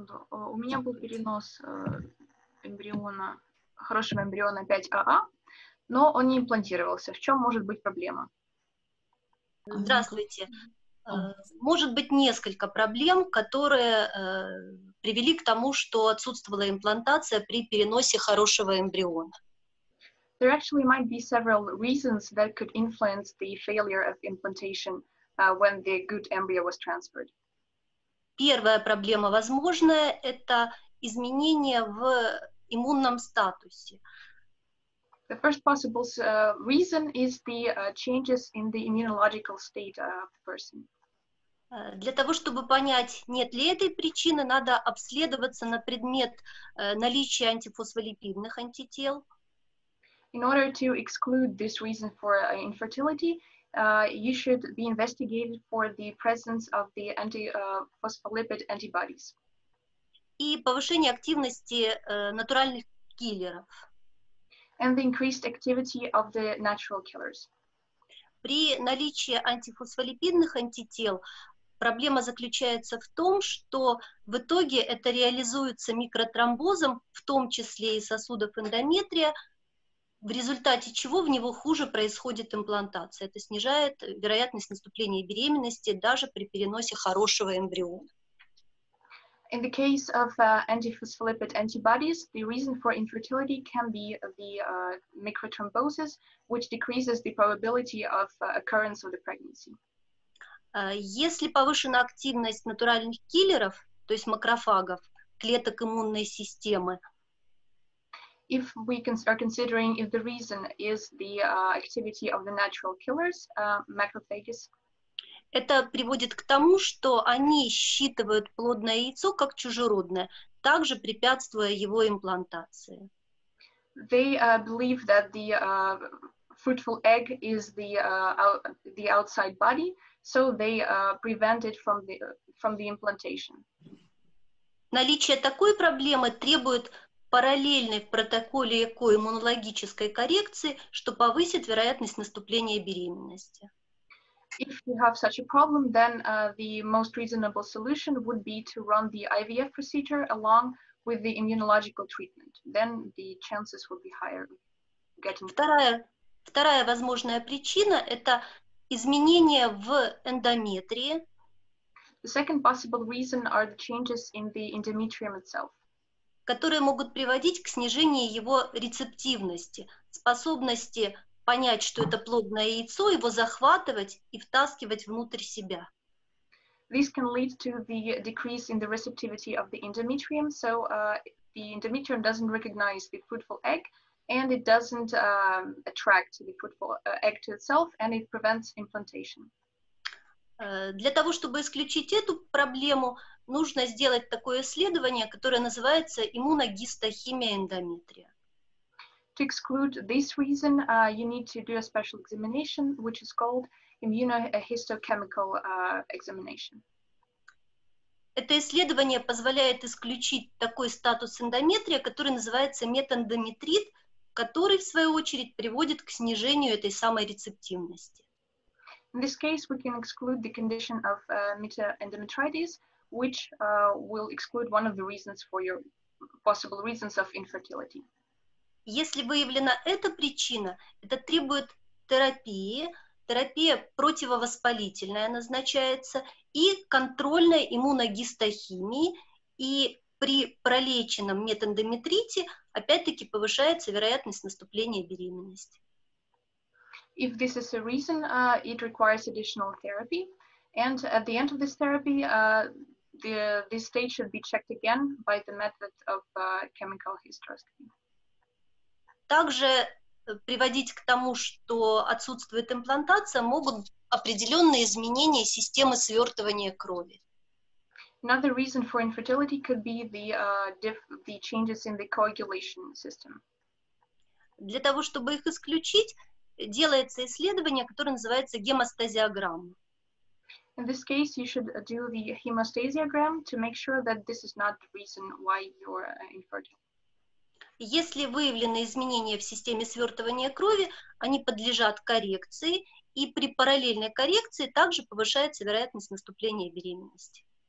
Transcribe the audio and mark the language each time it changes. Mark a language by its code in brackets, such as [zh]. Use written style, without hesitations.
[ru] У меня был перенос эмбриона, хорошего эмбриона 5АА, но он не имплантировался. В чем может быть проблема? Здравствуйте. Может быть несколько проблем, которые привели к тому, что отсутствовала имплантация при переносе хорошего эмбриона. [en] There actually might be several reasons that could influence the failure of implantation when the good embryo was transferred. [ru] Первая проблема возможная – это изменение в иммунном статусе. [en] The first possible reason is the changes in the immunological state of the person. [ru] Для того, чтобы понять, нет ли этой причины, надо обследоваться на предмет наличия антифосфолипидных антител. [en] In order to exclude this reason for infertility, you should be investigated for the presence of the antiphospholipid antibodies. [ru] И повышение активности натуральных киллеров. [en] And the increased activity of the natural killers. [ru] При наличии антифосфолипидных антител проблема заключается в том, что в итоге это реализуется микротромбозом, в том числе и сосудов эндометрия, в результате чего в него хуже происходит имплантация. Это снижает вероятность наступления беременности даже при переносе хорошего эмбриона. [en] In the case of antiphospholipid antibodies, the reason for infertility can be the microthrombosis, which decreases the probability of occurrence of the pregnancy. [ru] Если повышена активность натуральных киллеров, то есть макрофагов, клеток иммунной системы, [en] if we are considering if the reason is the activity of the natural killers, macrophages. [ru] Это приводит к тому, что они считывают плодное яйцо как чужеродное, также препятствуя его имплантации. [en] They believe that the fruitful egg is the the outside body, so they prevent it from the implantation. [ru] Наличие такой проблемы требует параллельной в протоколе ЭКО иммунологической коррекции, что повысит вероятность наступления беременности. [en] If you have such a problem, then the most reasonable solution would be to run the IVF procedure along with the immunological treatment. Then the chances would be higher. [ru] Вторая возможная причина – это изменения в эндометрии. [en] The second possible reason are the changes in the endometrium itself, [ru] которые могут приводить к снижению его рецептивности, способности понять, что это плодное яйцо, его захватывать и втаскивать внутрь себя. [en] This can lead to the decrease in the receptivity of the endometrium, so the endometrium doesn't recognize the fruitful egg, and it doesn't attract the fruitful egg to itself, and it prevents implantation. [ru] Для того, чтобы исключить эту проблему, нужно сделать такое исследование, которое называется иммуногистохимия эндометрия. [en] To exclude this reason, you need to do a special examination, which is called immunohistochemical examination. [ru] Это исследование позволяет исключить такой статус эндометрия, который называется метэндометрит, который, в свою очередь, приводит к снижению этой самой рецептивности. [en] In this case, we can exclude the condition of metaendometritis, which will exclude one of the reasons for your possible reasons of infertility. [ru] Если выявлена эта причина, это требует терапии. Терапия противовоспалительная назначается и контрольной иммуногистохимии. И при пролеченном метэндометрите опять-таки повышается вероятность наступления беременности. [en] If this is a reason, it requires additional therapy. And at the end of this therapy, this stage should be checked again by the method of chemical hysteroscopy. [ru] Также приводить к тому, что отсутствует имплантация, могут определенные изменения системы свертывания крови. [en] Another reason for infertility could be the changes in the coagulation system. [ru] Для того, чтобы их исключить, делается исследование, которое называется гемостазиограмма. [en] In this case, you should do the hemostasiogram to make sure that this is not the reason why you're infertile. [ru] Если выявлены изменения в системе свертывания крови, они подлежат коррекции, и при параллельной коррекции также повышается вероятность наступления беременности.